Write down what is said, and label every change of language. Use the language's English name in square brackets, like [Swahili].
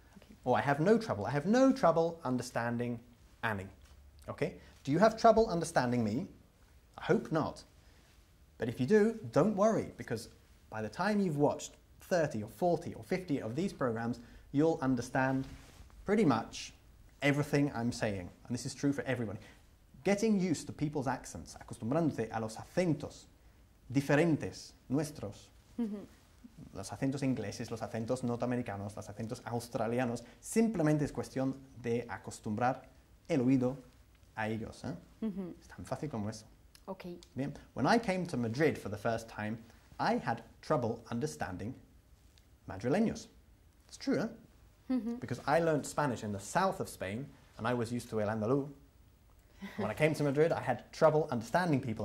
[English] Okay. Or I have no trouble. I have no trouble understanding Annie. Okay? Do you have trouble understanding me? I hope not. But if you do, don't worry, because by the time you've watched 30 or 40 or 50 of these programs, you'll understand pretty much everything I'm saying. And this is true for everyone. Getting used to people's accents, [Spanish] acostumbrándote a los acentos diferentes, nuestros, los acentos ingleses, los acentos norteamericanos, los acentos australianos, simplemente es cuestión de acostumbrar el oído a ellos, ¿eh? Mm-hmm. Es tan fácil como eso. [English] Okay. [Spanish] Bien. [English] When I came to Madrid for the first time, I had trouble understanding madrileños. It's true, ¿eh? Mm-hmm. Because I learned Spanish in the south of Spain, and I was used to el andalú. When I came to Madrid, I had trouble understanding people.